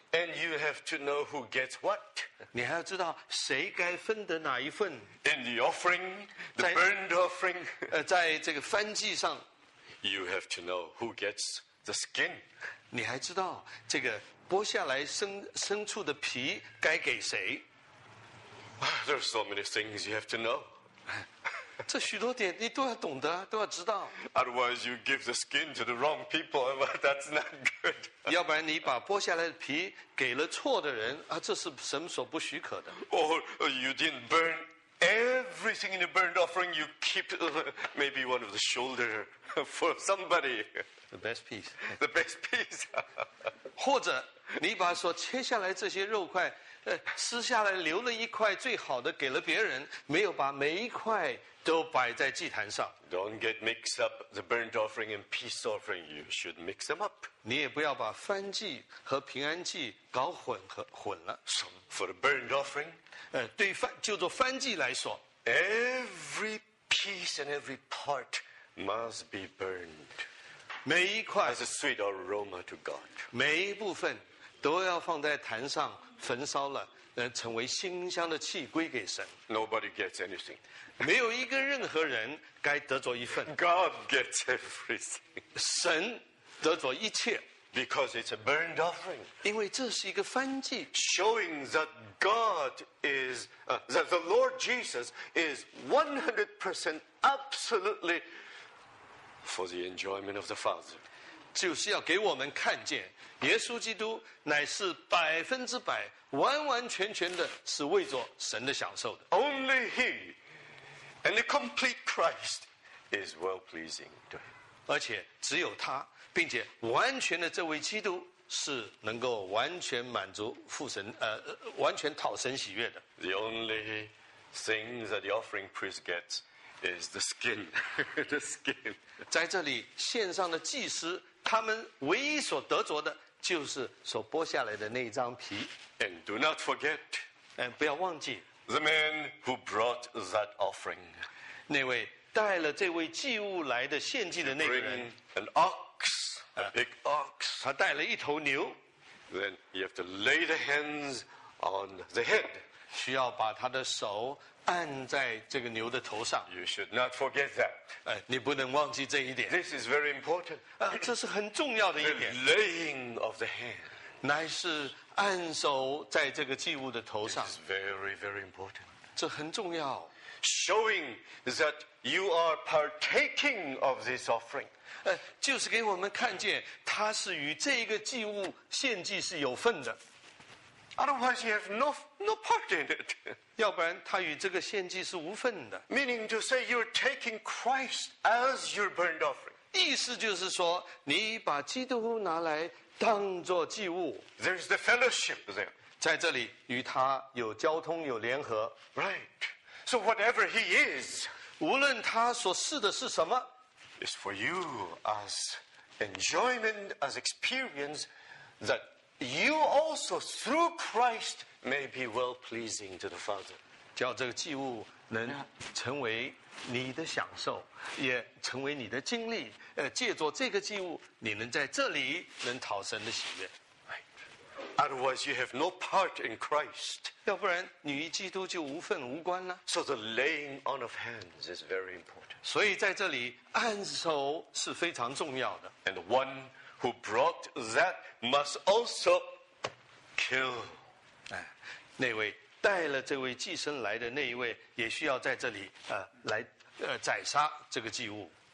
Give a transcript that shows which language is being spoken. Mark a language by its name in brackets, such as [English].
[English] And you have to know who gets what. [Chinese] 你还要知道谁该分得哪一份。 [English] In the offering, the burnt offering. [Chinese] 在这个燔祭上。 [English] You have to know who gets the skin. [Chinese] 你还知道这个剥下来牲畜的皮该给谁。 [English] There are so many things you have to know. [Chinese] 这许多点你都要懂得，都要知道。 [English] Otherwise, you give the skin to the wrong people, and that's not good. [Chinese] 要不然你把剥下来的皮给了错的人啊，这是神所不许可的。 [English] Or you didn't burn everything in the burnt offering. You keep maybe one of the shoulder for somebody. The best piece. The best piece. [Chinese] 或者你把所切下来这些肉块。撕下来留了一块最好的给了别人没有把每一块都摆在祭坛上 [English] Don't get mixed up the burnt offering and peace offering you should mix them up [Chinese] 你也不要把燔祭和平安祭搞混了 [English] For the burnt offering [Chinese] 就做燔祭来说 [English] Every piece and every part must be burned [Chinese] 每一块 [English] As a sweet aroma to God [Chinese] 每一部分都要放在坛上焚烧了，能成为馨香的器归给神。 [English] Nobody gets anything. [Chinese] 没有一个任何人该得着一份。 [English] God gets everything. [Chinese] 神得着一切。 [English] Because it's a burnt offering. [Chinese] 因为这是一个燔祭。 [English] Showing that God is, that the Lord Jesus is 100% absolutely for the enjoyment of the Father. [Chinese] 就是要给我们看见，耶稣基督乃是100%完完全全的是为着神的享受的。 [English] Only He and the complete Christ is well pleasing. [Chinese] 对，而且只有他，并且完全的这位基督是能够完全满足父神，完全讨神喜悦的。 [English] The only thing that the offering priest gets is the skin. The skin. [Chinese] 在这里献上的祭司，他们唯一所得着的就是所剥下来的那一张皮。 [English] And do not forget, [Chinese] 不要忘记 [English] the man who brought that offering. [Chinese] 那位带了这位祭物来的献祭的那个人。 [English] Bring an ox, a big ox. [Chinese] 他带了一头牛。 [English] Then you have to lay the hands on the head. [Chinese] 需要把他的手按在这个牛的头上。 [English] You should not forget that. [Chinese] 你不能忘记这一点。 [English] This is very important. [Chinese] 这是很重要的一点。 [English] The laying of the hand. [Chinese] 乃是按手在这个祭物的头上。 [English] This is very, very important. [Chinese] 这很重要。 [English] Showing that you are partaking of this offering. [Chinese] 就是给我们看见他是与这个祭物献祭是有份的。 [English] Otherwise, you have no part in it. [Chinese] 要不然他与这个献祭是无份的。 [English] Meaning to say you're taking Christ as your burnt offering. [Chinese] 意思就是说你把基督拿来当作祭物。 [English] There's the fellowship there. [Chinese] 在这里与他有交通有联合。 [English] Right. So whatever he is, [Chinese] 无论他所是的是什么， [English] is for you as enjoyment, as experience that you also, through Christ, may be well-pleasing to the Father. [Chinese] 叫这个祭物能成为你的享受，也成为你的经历。借着这个祭物，你能在这里能讨神的喜悦。 [English] Otherwise, you have no part in Christ. [Chinese] 要不然，你与基督就无份无关了。 [English] So the laying on of hands is very important. [Chinese] 所以在这里，按手是非常重要的。 [English] And one who brought that must also kill. [Chinese] 那位带了这位祭牲来的那一位，也需要在这里宰杀这个祭物。